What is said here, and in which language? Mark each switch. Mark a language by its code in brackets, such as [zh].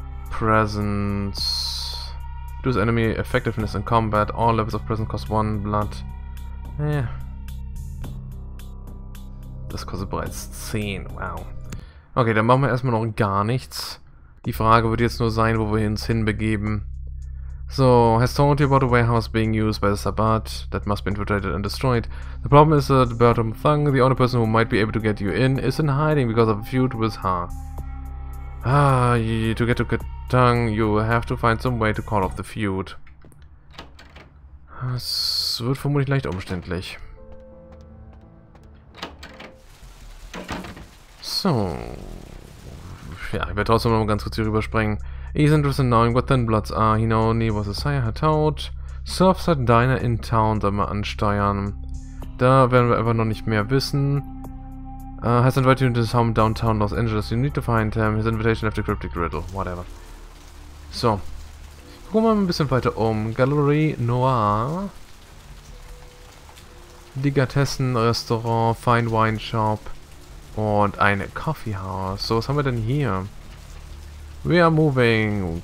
[en] Presence. Reduce enemy effectiveness in combat. All levels of presence cost 1 blood. Yeah. [de] Das kostet bereits 10, wow. Okay, dann machen wir erstmal noch gar nichts. Die Frage wird jetzt nur sein, wo wir uns hinbegeben. [en] So, has told you about a warehouse being used by the Sabbat that must be infiltrated and destroyed. The problem is that Bertram Thung, the only person who might be able to get you in, is in hiding because of a feud with her. To get to Katang, you have to find some way to call off the feud. [de] Es wird vermutlich leicht umständlich. So, ja, ich werde trotzdem noch mal ganz kurz hier rüberspringen. [en] He's interested in knowing what thin bloods are. He knows only what the sire had taught. [de] Surfs at Diner in Town, da mal ansteuern. Da werden wir einfach noch nicht mehr wissen. [en] Has invited you to his home downtown Los Angeles. You need to find him. His invitation left a cryptic riddle. Whatever. [de] So, gucken wir mal ein bisschen weiter um. Gallery Noir. Delikatessen Restaurant, Fine Wine Shop. Und ein Coffeehouse. So, was haben wir denn hier? [en] We are moving.